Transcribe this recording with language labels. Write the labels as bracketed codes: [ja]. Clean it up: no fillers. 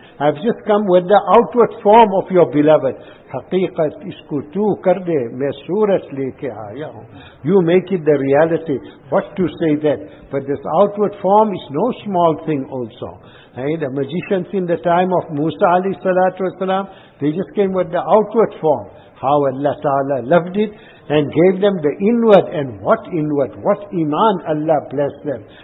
[en] I've just come with the outward form of your beloved. [ur] حقیقت اس کو تو کر دے, میں صورت لے کے آیا ہوں. [en] You make it the reality. What to say that? But this outward form is no small thing also. The magicians in the time of Musa alayhi salatu wasalam, they just came with the outward form. How Allah Ta'ala loved it and gave them the inward, and what inward, what iman Allah blessed them.